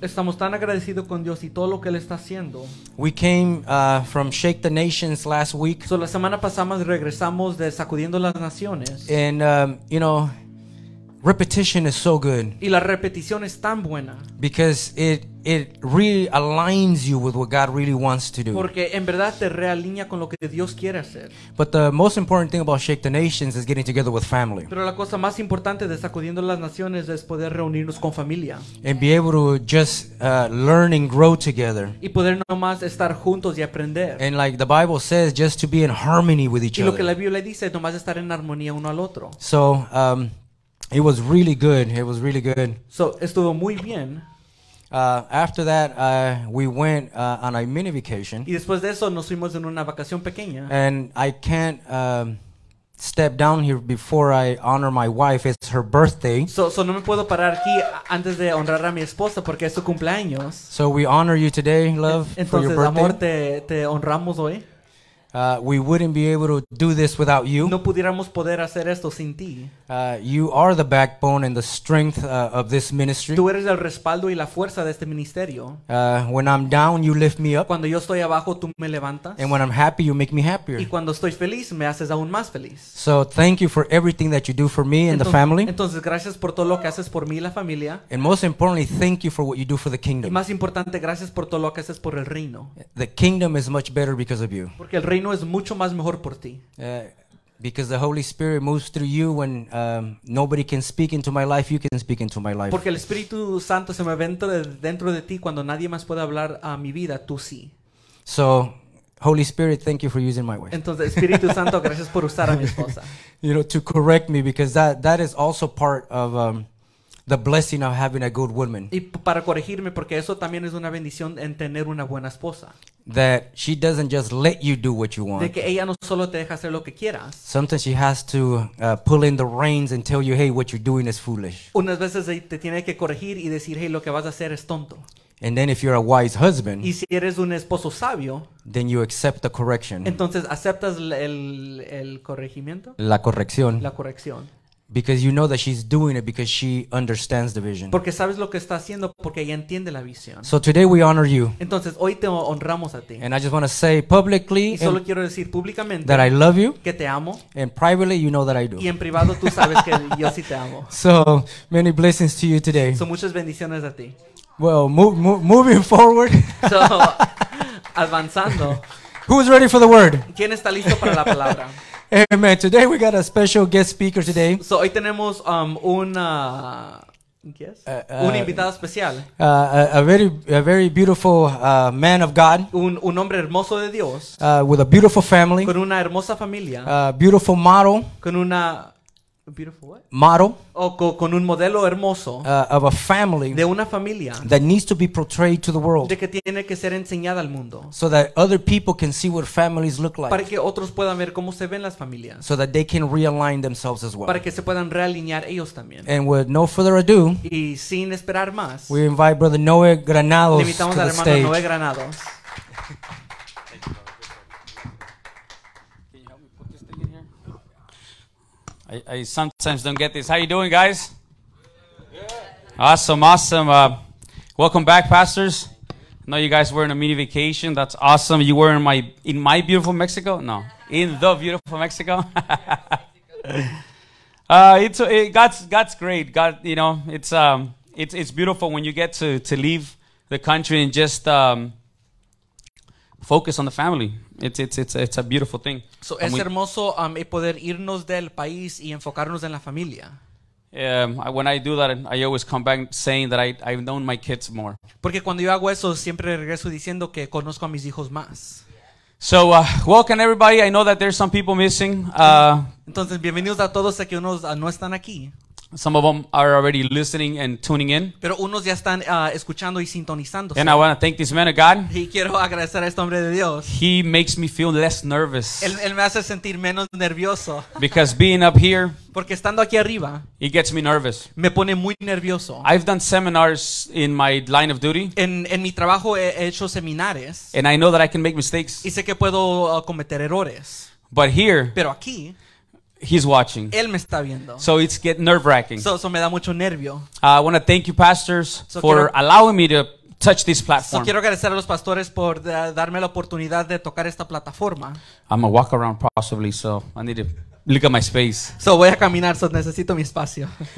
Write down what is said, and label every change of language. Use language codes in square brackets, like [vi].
[es] Estamos tan agradecidos con Dios y todo lo que Él está haciendo. [en] We came from Shake the Nations last week. [es] So la semana pasada regresamos de Sacudiendo las Naciones. [en] And you know, repetition is so good. [es] Y la repetición es tan buena. [en] Because it really aligns you with what God really wants to do. [es] Porque en verdad te realinea con lo que Dios quiere hacer. [en] But the most important thing about Shake the Nations is getting together with family. [es] Pero la cosa más importante de Sacudiendo las Naciones es poder reunirnos con familia. [en] And be able to just learn and grow together. [es] Y poder nomás estar juntos y aprender. [en] And like the Bible says, just to be in harmony with each other. [es] Y lo que la Biblia dice, nomás estar en armonía uno al otro. [en] So, it was really good. It was really good. [es] So, estuvo muy bien. [en] After that, we went on a mini vacation. [es] Y después de eso, nos fuimos en una vacación pequeña. [en] And I can't step down here before I honor my wife. It's her birthday. [es] So no me puedo parar aquí antes de honrar a mi esposa porque es su cumpleaños. [en] So we honor you today, love, [es] entonces, [en] for your birthday. [es] Amor, te honramos hoy. [en] We wouldn't be able to do this without you. [es] No pudiéramos poder hacer esto sin ti. [en] You are the backbone and the strength of this ministry. [es] Tú eres el respaldo y la fuerza de este ministerio. [en] When I'm down, you lift me up. [es] Cuando yo estoy abajo, tú me levantas. [en] And when I'm happy, you make me happier. [es] Y cuando estoy feliz, me haces aún más feliz. [en] So thank you for everything that you do for me and the family. [es] Entonces, gracias por todo lo que haces por mí y la familia. [en] And most importantly, thank you for what you do for the kingdom. [es] Y más importante, gracias por todo lo que haces por el reino. [en] The kingdom is much better because of you. [es] Porque el reino es mucho más mejor por ti. [en] Because the Holy Spirit moves through you when nobody can speak into my life, you can speak into my life. [es] Porque el Espíritu Santo se mueve dentro de ti cuando nadie más puede hablar a mi vida, tú sí. [en] So, Holy Spirit, thank you for using my wife. [es] Entonces, Espíritu Santo, gracias por usar a mi esposa. [en] You know, to correct me, because that is also part of the blessing of having a good woman. [es] Y para corregirme, porque eso también es una bendición en tener una buena esposa. [en] That she doesn't just let you do what you want. [es] De que ella no solo te deja hacer lo que quieras. [en] Sometimes she has to pull in the reins and tell you, hey, what you're doing is foolish. [es] Unas veces te tiene que corregir y decir, hey, lo que vas a hacer es tonto. [en] And then if you're a wise husband, [es] y si eres un esposo sabio, [en] then you accept the correction. [es] Entonces aceptas el corregimiento. La corrección. La corrección. [en] Because you know that she's doing it because she understands the vision. [es] Porque sabes lo que está haciendo porque ella entiende la visión. [en] So today we honor you. [es] Entonces hoy te honramos a ti. [en] And I just want to say publicly. [es] Y solo quiero decir públicamente. [en] That I love you. [es] Que te amo. [en] And privately you know that I do. [es] Y en privado tú sabes que yo sí te amo. [en] So many blessings to you today. [es] Son muchas bendiciones a ti. [en] Well, moving forward. [es] So avanzando. [en] Who's ready for the word? [es] ¿Quién está listo para la palabra? [en] Amen. Today we got a special guest speaker today. [es] So hoy tenemos un invitado especial. [en] A very beautiful man of God. [es] Un hombre hermoso de Dios. [en] With a beautiful family. [es] Con una hermosa familia. [en] Beautiful model. [es] Con una [en] beautiful what? Model. [es] Con un modelo hermoso. [en] Of a family. [es] De una familia. [en] That needs to be portrayed to the world. [es] De que tiene que ser enseñada al mundo. [en] So that other people can see what families look like. [es] Para que otros puedan ver cómo se ven las familias. [en] So that they can realign themselves as well. [es] Para que se puedan realinear ellos también. [en] And with no further ado. [es] Y sin esperar más. [en] We invite Brother Noe Granados to the stage. [es] Invitamos al hermano Noe Granados. [en] I sometimes don't get this. How you doing, guys? Yeah. Awesome. Welcome back, pastors. I know you guys were on a mini vacation. That's awesome. You were in my beautiful Mexico? No, in the beautiful Mexico. God's great. God, you know, it's beautiful when you get to leave the country and just focus on the family. It's a beautiful thing. [es] So es hermoso poder irnos del país y enfocarnos en la familia. [en] When I do that, I always come back saying that I've known my kids more. [es] Porque cuando yo hago eso, siempre regreso diciendo que conozco a mis hijos más. [en] So welcome everybody. I know that there's some people missing. [es] Entonces bienvenidos a todos, sé que unos no están aquí. [en] Some of them are already listening and tuning in. [es] Pero unos ya están escuchando y sintonizándose. [en] And I want to thank this man of God. [es] Y quiero agradecer a este hombre de Dios. [en] He makes me feel less nervous. [es] Él me hace sentir menos nervioso. [en] Because being up here. [es] Porque estando aquí arriba. [en] It gets me nervous. [es] Me pone muy nervioso. [en] I've done seminars in my line of duty. [es] En mi trabajo he hecho seminares. [en] And I know that I can make mistakes. [es] Y sé que puedo cometer errores. [en] But here. [es] Pero aquí. [en] He's watching. [es] Él me está viendo. [en] So it's getting nerve-wracking. [es] So me da mucho nervio. [en] I want to thank you pastors allowing me to touch this platform. [es] So quiero agradecer a los pastores por darme la oportunidad de tocar esta plataforma. [en] I'm a walk around possibly, so I need to look at my space. [es] So voy a caminar, so necesito mi espacio.